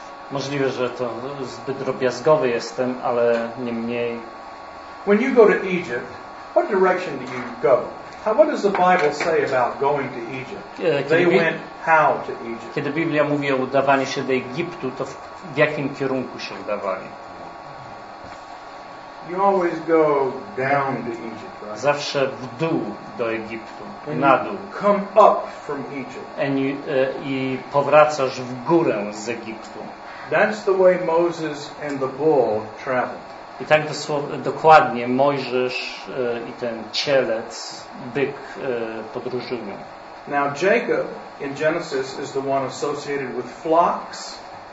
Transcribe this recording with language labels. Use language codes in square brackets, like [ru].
[pl] Możliwe, że to zbyt drobiazgowy jestem, ale niemniej. [en] When you go to Egypt, what direction do you go? How, what does the Bible say about going to Egypt? They went how to Egypt? [pl] Kiedy Biblia mówi o udawaniu się do Egiptu, to w jakim kierunku się udawali? [en] You always go down to Egypt, right? [pl] Zawsze w dół do Egiptu, [en] and [pl] na dół. [en] Come up from Egypt. [pl] I powracasz w górę z Egiptu. [en] That's the way Moses and the bull traveled. [pl] I tak dokładnie Mojżesz i ten cielec, byk podróżują. [en] Now Jacob in Genesis is the one associated with flocks.